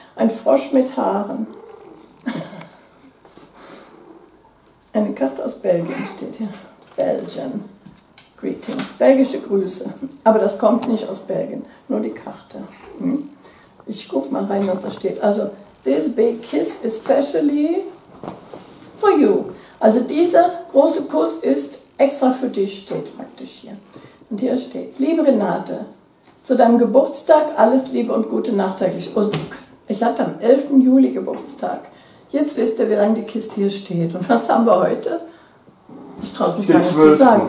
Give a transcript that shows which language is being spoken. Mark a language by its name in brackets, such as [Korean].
[German] Ein Frosch mit Haaren. Eine Karte aus Belgien steht hier. [English] Belgian Greetings. [German] Belgische Grüße. Aber das kommt nicht aus Belgien. Nur die Karte. Ich guck mal rein, was da steht. [English] Also, this big kiss especially for you. [German] Also dieser große Kuss ist extra für dich, steht praktisch hier. Und hier steht, liebe Renate, zu deinem Geburtstag alles Liebe und Gute nachträglich. Ich hatte am 11. Juli Geburtstag. Jetzt wisst ihr, wie lange die Kiste hier steht. Und was haben wir heute? Ich traue mich gar nicht zu sagen.